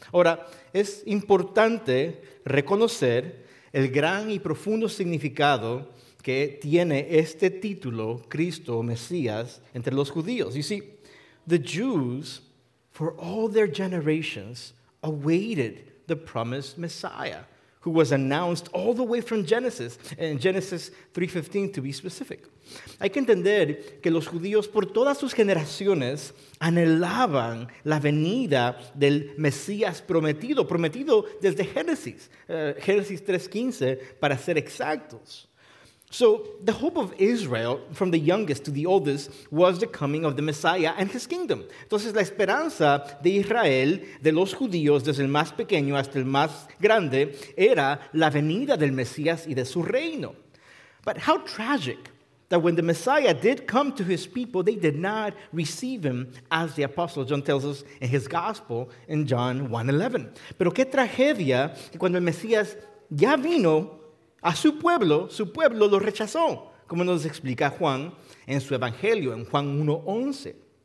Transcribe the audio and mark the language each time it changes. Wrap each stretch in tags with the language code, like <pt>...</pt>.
<es>Ahora, es importante reconocer el gran y profundo significado que tiene este título, Cristo, Mesías, entre los judíos.</es> <en>You see, the Jews, for all their generations, awaited the promised Messiah, who was announced all the way from Genesis, in Genesis 3:15 to be specific.</en> <es>Hay que entender que los judíos por todas sus generaciones anhelaban la venida del Mesías prometido desde Génesis, Génesis 3:15 para ser exactos.</es> <en>So the hope of Israel, from the youngest to the oldest, was the coming of the Messiah and his kingdom.</en> <es>Entonces, la esperanza de Israel, de los judíos, desde el más pequeño hasta el más grande, era la venida del Mesías y de su reino.</es> <en>But how tragic that when the Messiah did come to his people, they did not receive him, as the Apostle John tells us in his Gospel in John 1:11.</en> <es>Pero qué tragedia que cuando el Mesías ya vino, a su pueblo lo rechazó, como nos explica Juan en su Evangelio, en Juan 1:11.</es>